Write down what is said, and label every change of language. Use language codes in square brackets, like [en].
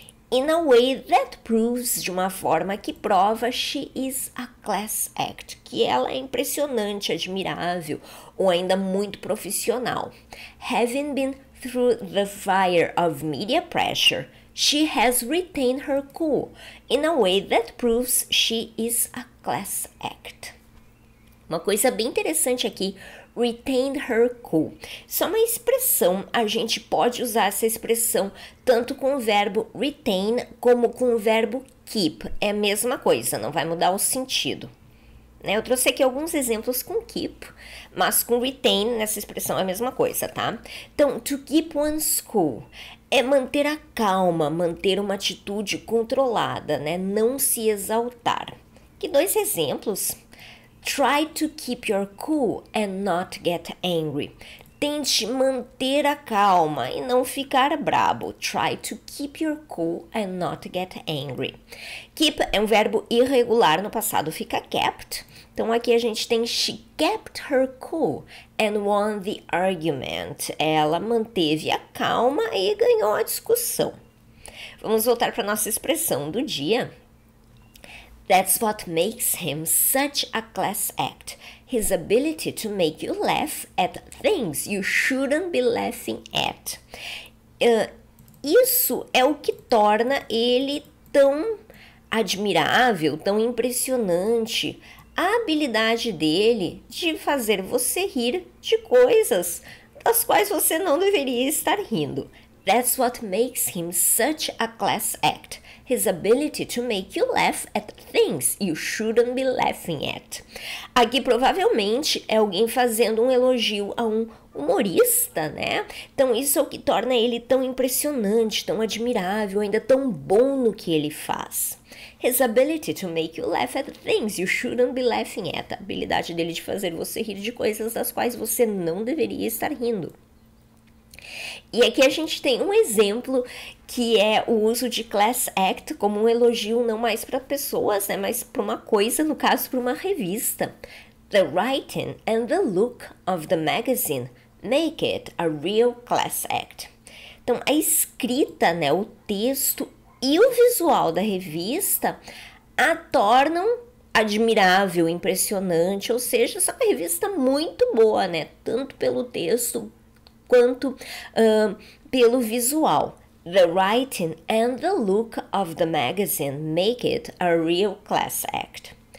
[en] In a way that proves, [pt] de uma forma que prova, [en] she is a class act, [pt] que ela é impressionante, admirável ou ainda muito profissional. [en] Having been through the fire of media pressure, she has retained her cool in a way that proves she is a class act. [pt] Uma coisa bem interessante aqui, retained her cool. Isso é uma expressão, a gente pode usar essa expressão tanto com o verbo retain como com o verbo keep. É a mesma coisa, não vai mudar o sentido. Né? Eu trouxe aqui alguns exemplos com keep, mas com retain nessa expressão é a mesma coisa, tá? Então, to keep one's cool é manter a calma, manter uma atitude controlada, né? Não se exaltar. Que dois exemplos? [en] Try to keep your cool and not get angry. [pt] Tente manter a calma e não ficar brabo. [en] Try to keep your cool and not get angry. [pt] Keep é um verbo irregular no passado, fica kept. Então aqui a gente tem [en] she kept her cool and won the argument. [pt] Ela manteve a calma e ganhou a discussão. Vamos voltar para nossa expressão do dia. [en] That's what makes him such a class act. His ability to make you laugh at things you shouldn't be laughing at. [pt] Isso é o que torna ele tão admirável, tão impressionante. A habilidade dele de fazer você rir de coisas das quais você não deveria estar rindo. [en] That's what makes him such a class act. His ability to make you laugh at things you shouldn't be laughing at. [pt] Aqui provavelmente é alguém fazendo um elogio a um humorista, né? Então isso é o que torna ele tão impressionante, tão admirável, ainda tão bom no que ele faz. [en] His ability to make you laugh at things you shouldn't be laughing at. [pt] A habilidade dele de fazer você rir de coisas das quais você não deveria estar rindo. E aqui a gente tem um exemplo que é o uso de class act como um elogio não mais para pessoas, né, mas para uma coisa, no caso, para uma revista. [en] The writing and the look of the magazine make it a real class act. [pt] Então, a escrita, né, o texto e o visual da revista a tornam admirável, impressionante, ou seja, essa é uma revista muito boa, né, tanto pelo texto quanto pelo visual. [en] The writing and the look of the magazine make it a real class act.